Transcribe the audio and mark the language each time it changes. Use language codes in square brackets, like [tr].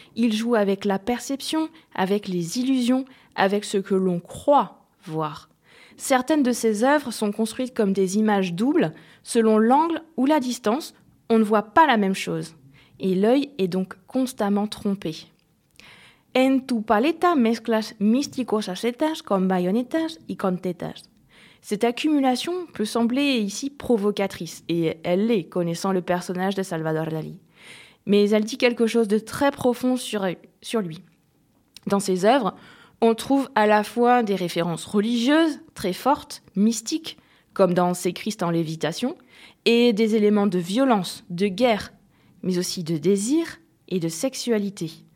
[fr] Il joue avec la perception, avec les illusions, avec ce que l'on croit voir. Certaines de ses œuvres sont construites comme des images doubles. Selon l'angle ou la distance, on ne voit pas la même chose. Et l'œil est donc constamment trompé. [es] En tu paleta mezclas místicos acetas con bayonetas y con tetas. [fr] Cette accumulation peut sembler ici provocatrice, et elle l'est, connaissant le personnage de Salvador Dali. Mais elle dit quelque chose de très profond sur lui. Dans ses œuvres, on trouve à la fois des références religieuses, très fortes, mystiques, comme dans ses Christ en lévitation, et des éléments de violence, de guerre, mais aussi de désir et de sexualité.